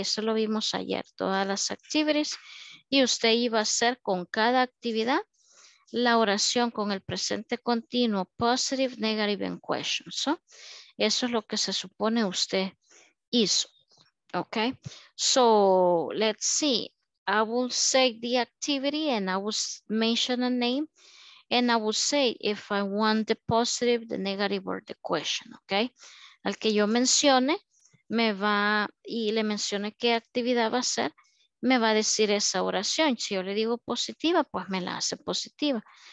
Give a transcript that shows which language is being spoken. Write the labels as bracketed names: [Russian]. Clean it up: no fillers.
[Spanish] Eso lo vimos ayer, todas las activities. Y usted iba a hacer con cada actividad la oración con el presente continuo, [English] positive, negative, and question. [Spanish] So, eso es lo que se supone usted hizo. [English] Okay? So, let's see. I will say the activity and I will mention a name. And I will say if I want the positive, the negative, or the question. Okay? [Spanish] Al que yo mencione, me va y le mencione qué actividad va a ser, me va a decir esa oración. Si yo le digo positiva, pues me la hace positiva.